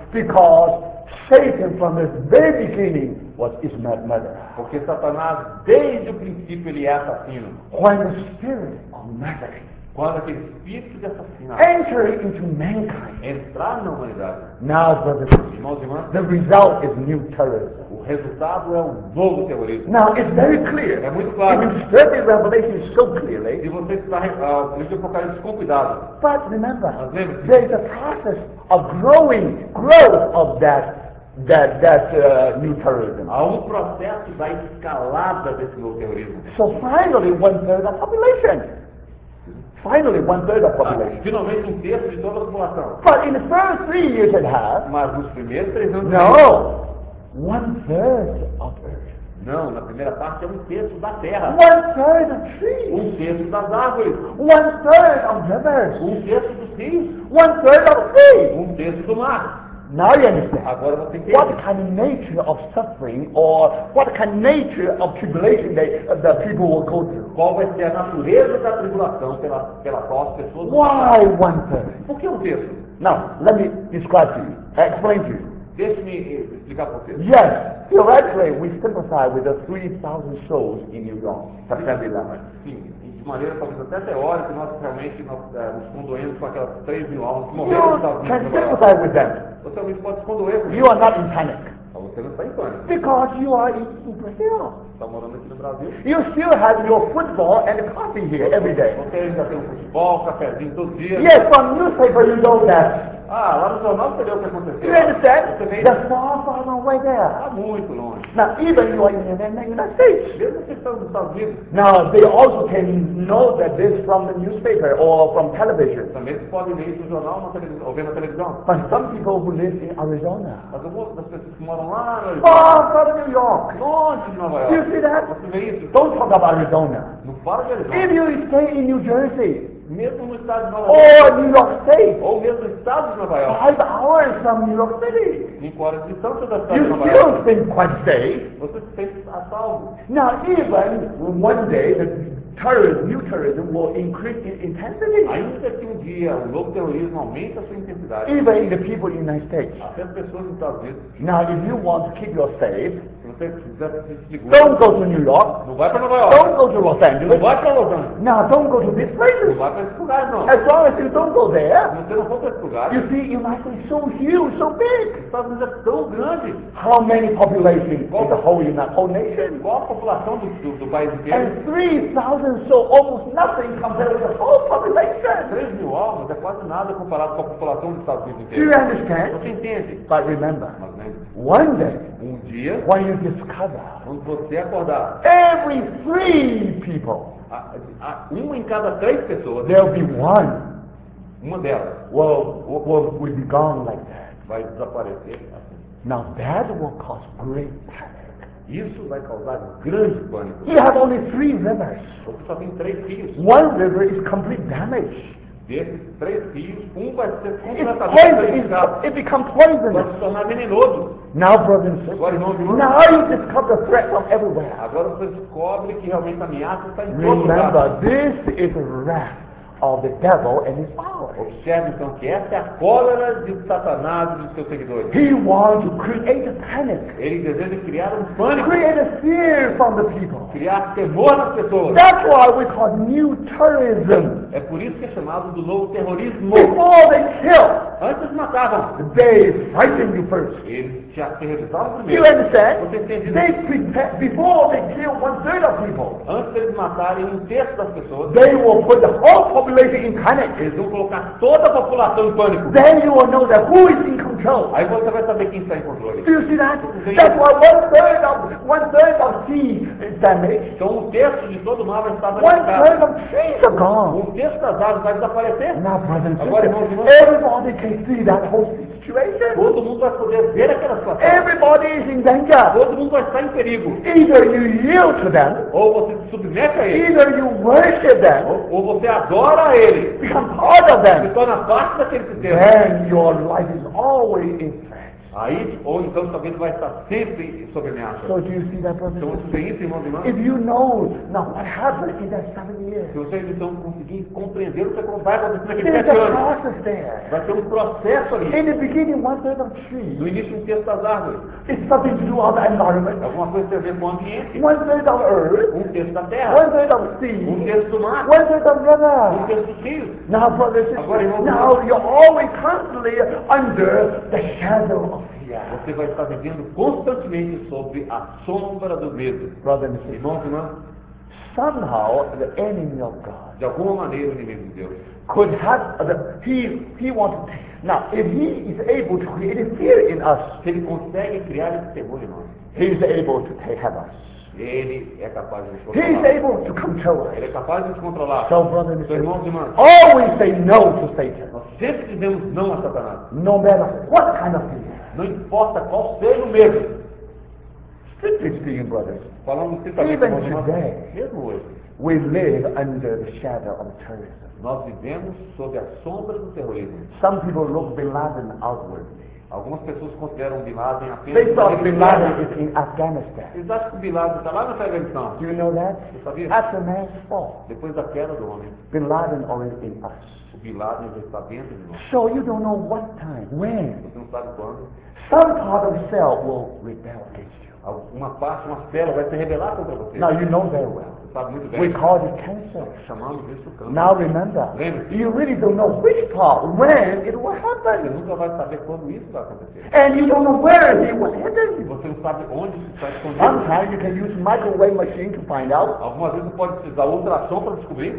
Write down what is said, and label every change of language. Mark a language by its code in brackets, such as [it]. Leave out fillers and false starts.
[en] because Satan from the very beginning was his murderer. [pt] Porque Satanás desde o princípio ele é assassino. [en] When the spirit of murder, [pt] quando aquele espírito de assassinato [en] enter into mankind, [pt] entrar na humanidade. [en] Now, brother, [pt] irmãos e irmãs, [en] the result is new terrorism. [pt] O resultado é um novo terrorismo. [en] Now it's very clear. [pt] É muito claro. [en] If you study Revelation so clearly. [pt] E você está lendo o Apocalipse com cuidado. [en] But remember, there is a process of growth of that new terrorism. [pt] Há um processo da escalada desse novo terrorismo. [en] So finally, one third of the population. Finally, one third of population. [pt] Finalmente, um terço de toda a população. [en] But in the first 3 years and a half. [pt] Mas nos primeiros 3 anos. [en] No. One third of earth. [pt] Não, na primeira parte é um terço da terra. [en] One third of trees. [pt] Um terço das árvores. [en] One third of rivers. [pt] Um terço dos rios. [en] One third of sea. [pt] Um terço do mar. [en] Now you understand. [pt] Agora você entende. [en] What kind of nature of suffering or what kind of nature of tribulation the people will go through? [pt] Qual vai ser a natureza da tribulação pela qual as pessoas vão passar? [en] Why one third? [pt] Por que um terço? [en] Now, let me describe to you. Explain to you. [pt] Deixe-me explicar para você. [en] Yes, theoretically, we sympathize with the 3,000 souls in New York, September 11. [pt] Sim, de maneira talvez até teórica, nós realmente nos condoemos com aquelas 3 mil almas que morreram nessa vida. Você realmente pode se condoer com isso. [en] You are not in panic. [pt] Você não está em pânico. [en] Because you are in Brazil. [pt] Está morando aqui no Brasil. [en] You still have your football and coffee here every day. [pt] Você ainda tem um futebol, cafezinho todo dia. [en] Yes, but newspaper you don't have. [pt] Ah, lá no jornal você vê o que aconteceu. [en] You understand? The small farm away there. [pt] Está muito longe. [en] Now, even you are in the United States. [pt] Mesmo que estão nos Estados Unidos. [en] Now, they also can know that this from the newspaper or from television. [pt] Também se pode ler isso no jornal ou ver na televisão. [en] But some people who live in Arizona. [pt] Mas algumas pessoas que moram lá no [en] Arizona. Oh, far from New York. [pt] Longe de Nova York. [en] You see that? [pt] Você vê isso? [en] Don't talk about Arizona. [pt] Não fala de Arizona. [en] If you stay in New Jersey. [pt] Mesmo no estado de Nova York. Ou New York State. Ou mesmo no estado de Nova York. [en] 5 [pt] horas [en] from New York City. [pt] 5 horas de distância da cidade [en] you [pt] de Nova [en] York. You still think quite safe. [pt] Você se sente a salvo. [en] Now, even one day, the new terrorism will increase in intensity. [pt] Ainda que dia, o novo terrorismo aumenta a sua intensidade. [en] Even in the people in the United States. [pt] Até as pessoas nos Estados Unidos. [en] Now, if you want to keep your safe, don't go to New York. [pt] Não vai para Nova York. [en] Don't go to Los Angeles. [pt] Não vai para Los Angeles. [en] Now, don't go to this place. [pt] Não vai para esse lugar, não. [en] As long as you don't go there. [pt] Você não for para esse lugar. [en] You see, United States is so huge, so big. [pt] Estados Unidos é tão grande. [en] How many population in the whole United whole nation? [pt] Qual a população do país inteiro? [en] And 3,000, so almost nothing compared to the whole population. [pt] 3 mil almas é quase nada comparado com a população dos Estados Unidos inteiro. [en] Do you understand? [pt] Você entende? [en] But remember. [pt] Mas lembre. [en] One day, [pt] um dia, [en] when you discover, [pt] quando você acordar, [en] every 3 people, [pt] uma em cada 3 pessoas, [en] there will be one, [pt] uma delas, [en] will be gone like that. [pt] Vai desaparecer. [en] Now that will cause great panic. [pt] Isso vai causar grande pânico. [en] You have only 3 rivers. [pt] Você só tem 3 rios. [en] One river is complete damage. [pt] Desses 3 rios, vai ser completamente danificado. [en] It becomes poisonous. [pt] Vai se tornar venenoso. [en] Now, brothers and sisters, now you discover the threat from everywhere. [pt] Agora você descobre que realmente a ameaça está em todo lugar. [en] Remember, this is the wrath of the devil and his followers. [pt] Observe então que essa é a cólera de Satanás e dos seus seguidores. [en] He wants to create a panic. [pt] Ele deseja criar pânico. [en] Create a fear from the people. [pt] Criar temor nas pessoas. [en] That's why we call new terrorism. [pt] É por isso que é chamado do novo terrorismo. [en] Before they kill. [pt] Antes matavam. [en] They frighten you first. [pt] Eles te aterrorizavam primeiro. [en] You understand? [pt] Você entende? [en] They prepare before they kill 1/3 of people. [pt] Antes de matarem 1/3 das pessoas. [en] They will put the whole population in panic. [pt] Eles vão colocar toda a população em pânico. [en] Then you will know that who is in control. [pt] Aí você vai saber quem está em controle. [en] Do you see that? That's why 1/3 of sea is damaged. [pt] Então 1/3 de todo o mar está danificado. [en] 1/3 of trees are gone. [pt] 1/3 das árvores vai desaparecer. [en] Now, brothers, [pt] agora, [en] everybody can see that whole situation. [pt] Todo mundo vai poder ver aquela situação. [en] Everybody is in danger. [pt] Todo mundo vai estar em perigo. [en] Either you yield to them. [pt] Ou você se submete a eles. [en] Either you worship them. [pt] Ou você adora a eles. [en] Become part of them. [pt] Se torna parte daquele sistema. [en] Then your life is always in [pt] aí, ou então sua vida vai estar sempre sob ameaça. [en] So do you see that problem? [pt] Então você tem isso, irmão de irmã? [en] If you know now what happened in that 7 years. [pt] Se vocês estão conseguindo compreender o que vai acontecer naquele 7 anos. [en] There's a process there. [pt] Vai ter um processo ali. [en] In the beginning, 1/3 of trees. [pt] No início, 1/3 das árvores. [en] It's something to do with the environment. [pt] Alguma coisa tem a ver com o ambiente. [en] 1/3 of earth. [pt] 1/3 da terra. [en] 1/3 of sea. [pt] 1/3 do mar. [en] 1/3 of river. [pt] 1/3 dos rios. [en] Now, brothers, [pt] agora, irmão, [en] now you're always constantly under the shadow of. [pt] Você vai estar vivendo constantemente sobre a sombra do medo. [en] Brother and sister, [pt] irmãos e irmãs, [en] somehow the enemy of God, [pt] de alguma maneira o inimigo de Deus, [en] could have the he wants now if he is able to create a fear in us, [pt] se ele consegue criar esse temor em nós, [en] he is able to take us. [pt] Ele é capaz de nos controlar. [en] He is able to control us. [pt] Ele é capaz de nos controlar. [en] So, brother and sister, [pt] irmãos e irmãs, [en] always say no to Satan. [pt] Nós sempre dizemos não a Satanás. [en] No matter what kind of thing. [pt] Não importa qual seja o medo. [en] Simply speaking, brothers. [pt] Falando simplesmente, [en] even today, [pt] mesmo hoje, [en] we live under the shadow of terrorism. [pt] Nós vivemos sob a sombra do terrorismo. [en] Some people look Bin Laden outwardly. [pt] Algumas pessoas consideram Bin Laden apenas. [en] They thought Bin Laden is in Afghanistan. [pt] Eles acham que Bin Laden está lá na Afeganistão. [en] Do you know that? [pt] Você sabia? [en] After man's fall. [pt] Depois da queda do homem. [en] Bin Laden already in us. [pt] O Bin Laden já está dentro de nós. [en] So you don't know what time, when. [pt] Você não sabe quando. [en] Some part of the cell will rebel against you. [pt] Uma parte, uma célula vai se rebelar contra você. [en] Now you know very well. [pt] sabe muito bem. [en] We call it cancer. [pt] Chamamos isso câncer. [en] Now remember. [pt] Lembre-se. [en] You really don't know which part, when it will happen. [pt] Você nunca vai saber quando isso vai acontecer. [en] And you don't know where it will happen. [pt] Você não sabe onde isso está escondido. [en] Sometimes you can use microwave machine to find out. [pt] Algumas vezes você pode precisar ultrassom para descobrir.